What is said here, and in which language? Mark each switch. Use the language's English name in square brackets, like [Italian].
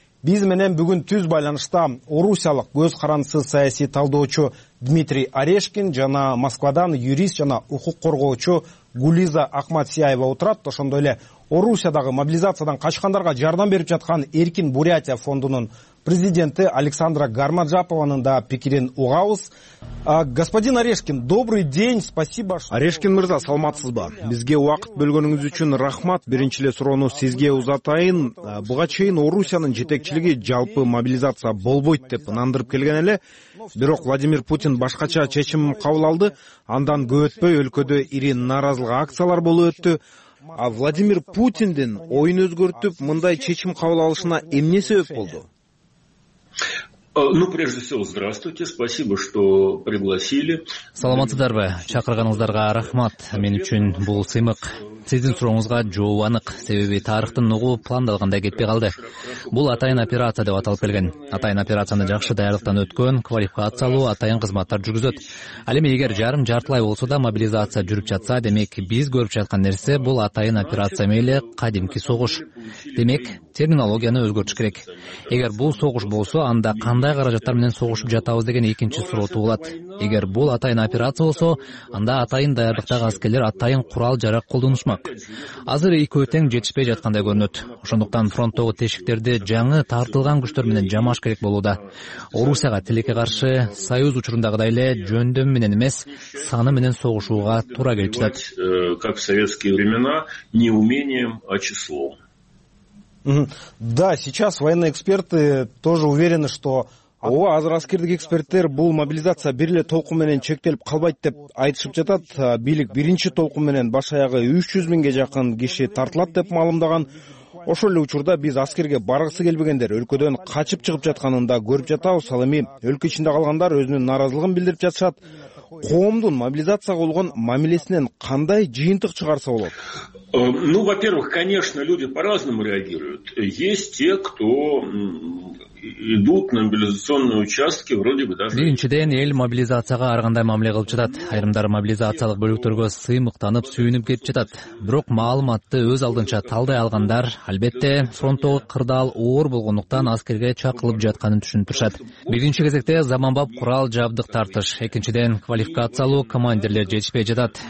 [Kyrgyz] Биз менен бүгүн түз байланышта орусиялык көз карандысыз саясий талдоочу Дмитрий Орешкин жана Москвадан юрист жана укук коргоочу Гулиза Ахматсияева отурат. Ошондой эле Орусиядагы мобилизациядан качкандарга жардам берип жаткан Эркин Бурятия фондунун президенти Александра Гармаджапованын да пикирин угабыз. [Russian] Господин Орешкин, добрый день, спасибо. [Kyrgyz] Орешкин мырза, саламатсызбы? Бизге убакыт бөлгөнүңүз үчүн рахмат. Биринчи эле суроону сизге узатайын. Буга чейин Орусиянын жетекчилиги жалпы мобилизация болбойт деп ынандырып келген эле. Бирок Владимир Путин башкача чечим кабыл алды. Андан көп өтпөй өлкөдө ири нааразылык акциялар болуп өттү. А Владимир Путиндин оюн өзгөртүп мындай чечим кабыл алышына эмне себеп болду? [Russian] Ну, прежде всего, здравствуйте, спасибо, что пригласили. [Kyrgyz] Саламатсыздарбы, чакырганыңыздарга рахмат, мен үчүн бул сыймык. Сиздин сурооңузга жооп анык, себеби тарыхтын угуу пландалгандай кетпей калды. Бул атайын операция деп аталып келген. Атайын операцияны жакшы даярдыктан өткөн, квалификациялуу атайын кызматтар жүргүзөт. Ал эми эгер жарым жартылай болсо да мобилизация жүрүп жатса, демек биз көрүп жаткан нерсе бул атайын операция эле кадимки согуш. Демек, терминологияны өзгөртүш керек. Эгер бул согуш болсо, анда кандай каражаттар менен согушуп жатабыз деген экинчи суроо туулат. Эгер бул атайын операция болсо, анда атайын даярдыктагы аскерлер атайын курал-жарак колдонушмак. Азыр экөө тең жетишпей жаткандай көрүнөт. Ошондуктан фронттогу тешиктерди жаңы тартылган күчтөр менен жамаш керек болууда. Орусияга тилекке каршы союз учурундагыдай эле жөндөм менен эмес, саны менен согушууга туура келип жатат. [Russian] Как в советские времена, не умением, а числом. Да, сейчас военные эксперты тоже уверены, что [Kyrgyz] ооба, азыр аскердик эксперттер бул мобилизация бир эле толкун менен чектелип калбайт деп айтышып жатат. Бийлик биринчи толкун менен баш аягы 300 000 жакын киши тартылат деп маалымдаган. Ошол эле учурда биз аскерге баргысы келбегендер өлкөдөн качып чыгып жатканын да көрүп жатабыз. Ал эми өлкө ичинде калгандар өзүнүн нааразылыгын билдирип жатышат. Коомдун мобилизацияга болгон мамилесинен кандай жыйынтык чыгарса болот? [Russian] Ну, во-первых, конечно, люди по-разному реагируют. Есть те, кто идут на мобилизационные участки, вроде бы даже... [Kyrgyz] Биринчиден, эл мобилизацияга ар кандай мамиле кылып жатат. Айрымдар мобилизациялык бөлүктөргө сыймыктанып, сүйүнүп кетип жатат. Бирок маалыматты өз алдынча талдай алгандар, албетте, фронттогу кырдаал оор болгондуктан аскерге чакырылып жатканын түшүнүшөт. Биринчи кезекте заманбап курал-жабдык тартыш, экинчиден, квалификациялуу командирлер жетишпей жатат.